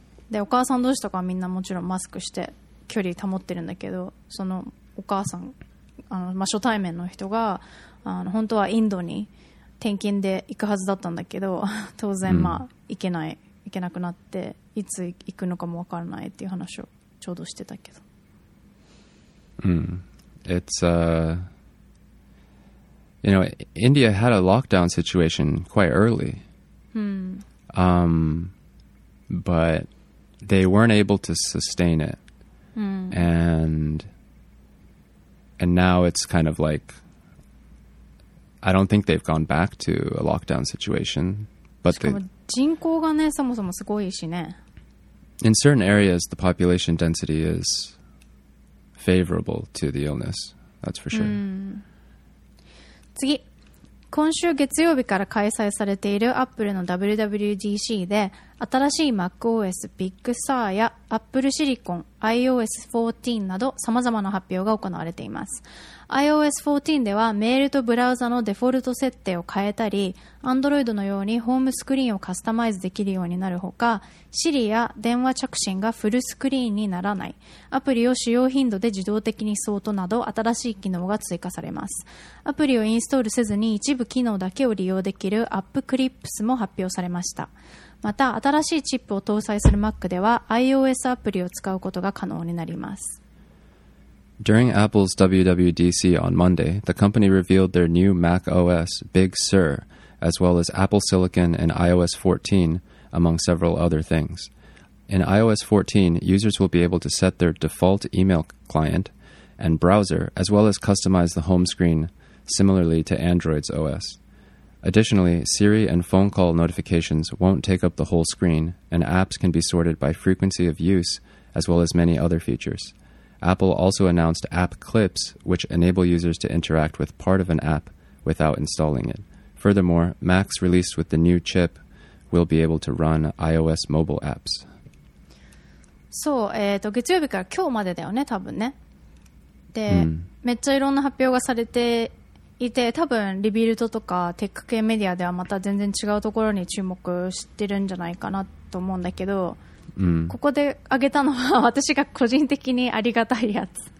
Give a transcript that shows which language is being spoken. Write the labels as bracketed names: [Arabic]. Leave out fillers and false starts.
[Japanese] で、お母さん同士とかはみんなもちろんマスクして距離保ってるんだけど、そのお母さん、まあ、初対面の人が本当はインドに転勤で行くはずだったんだけど、当然まあ行けなくなって、いつ行くのかも分からないっていう話をちょうどしてたけど。 [English] It's you know, India had a lockdown situation quite early. But they weren't able to sustain it. And now it's kind of like, I don't think they've gone back to a lockdown situation. But [Japanese] しかも人口がね、そもそもすごいしね。 [English] In certain areas, the population density is favorable to the illness. That's for sure. [Japanese] 次。今週月曜日から開催されている Apple の WWDC で、新しい MacOS Big Sur や Apple Silicon iOS 14など様々な発表が行われています。 iOS 14ではメールとブラウザのデフォルト設定を変えたり、Android のようにホームスクリーンをカスタマイズできるようになるほか、Siri や電話着信がフルスクリーンにならない、アプリを使用頻度で自動的に相当など新しい機能が追加されます。アプリをインストールせずに一部機能だけを利用できる App Clips も発表されました。また新しいチップを搭載する Mac では iOS アプリを使うことが可能になります。 [English] During Apple's WWDC on Monday, the company revealed their new macOS Big Sur, as well as Apple Silicon and iOS 14, among several other things. In iOS 14, users will be able to set their default email client and browser, as well as customize the home screen similarly to Android's OS. Additionally, Siri and phone call notifications won't take up the whole screen, and apps can be sorted by frequency of use, as well as many other features. Apple also announced App Clips, which enable users to interact with part of an app without installing it. Furthermore, Macs released with the new chip will be able to run iOS mobile apps. [Japanese] そう、月曜日から今日までだよね、多分ね。で、めっちゃいろんな発表がされていて、多分リビルドとかテック系メディアではまた全然違うところに注目してるんじゃないかなと思うんだけど、ここで挙げたのは私が個人的にありがたいやつ。